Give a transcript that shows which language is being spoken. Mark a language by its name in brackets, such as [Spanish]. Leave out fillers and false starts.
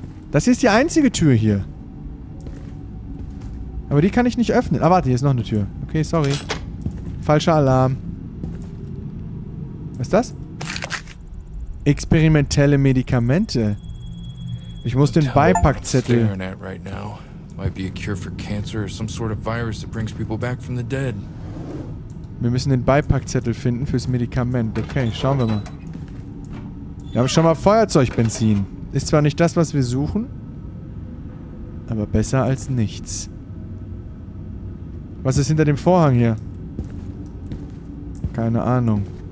[German] Das hier ist die einzige Tür hier. Aber die kann ich nicht öffnen. Ah, warte, hier ist noch eine Tür. Okay, sorry. Falscher Alarm. Was ist das? experimentelle Medikamente. Ich muss den Beipackzettel. [English] Right now. Might be a cure for cancer or some sort of virus that brings people back from the dead. [German] Wir müssen den Beipackzettel finden fürs Medikament. Okay, schauen wir mal. Wir haben schon mal Feuerzeugbenzin. Ist zwar nicht das, was wir suchen, aber besser als nichts. Was ist hinter dem Vorhang hier? Keine Ahnung.